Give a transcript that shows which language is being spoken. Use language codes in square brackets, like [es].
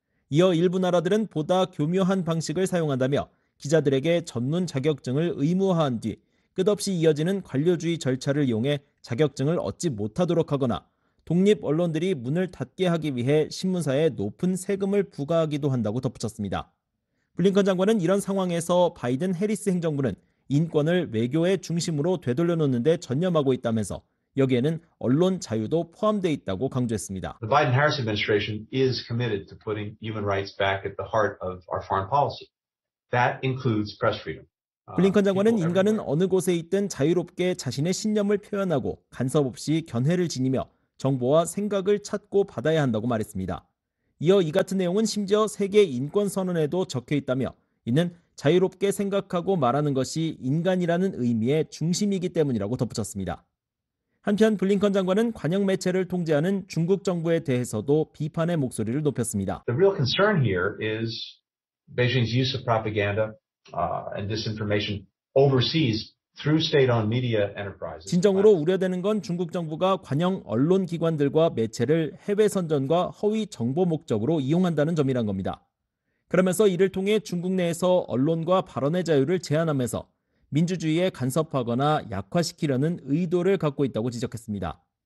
[ko] 이어 일부 나라들은 보다 교묘한 방식을 사용한다며 기자들에게 전문 자격증을 의무화한 뒤 끝없이 이어지는 관료주의 절차를 이용해 자격증을 얻지 못하도록 하거나 독립 언론들이 문을 닫게 하기 위해 신문사에 높은 세금을 부과하기도 한다고 덧붙였습니다. 블링컨 장관은 이런 상황에서 바이든 해리스 행정부는 인권을 외교의 중심으로 되돌려놓는 데 전념하고 있다면서 여기에는 언론 자유도 포함되어 있다고 강조했습니다. [en] The Biden-Harris administration is committed to putting human rights back at the heart of our foreign policy. That includes press freedom. [ko] 블링컨 장관은 인간은 어느 곳에 있든 자유롭게 자신의 신념을 표현하고 간섭 없이 견해를 지니며 정보와 생각을 찾고 받아야 한다고 말했습니다. 이어 이 같은 내용은 심지어 세계 인권 선언에도 적혀 있다며 이는 자유롭게 생각하고 말하는 것이 인간이라는 의미의 중심이기 때문이라고 덧붙였습니다. 한편 블링컨 장관은 관영 매체를 통제하는 중국 정부에 대해서도 비판의 목소리를 높였습니다. [en] The real concern here is Beijing's use of propaganda and disinformation overseas through state-owned media enterprises. [ko] 진정으로 우려되는 건 중국 정부가 관영 언론 기관들과 매체를 해외 선전과 허위 정보 목적으로 이용한다는 점이란 겁니다. 그러면서 이를 통해 중국 내에서 언론과 발언의 자유를 제한하면서 민주주의에 간섭하거나 약화시키려는 의도를 갖고 있다고 지적했습니다.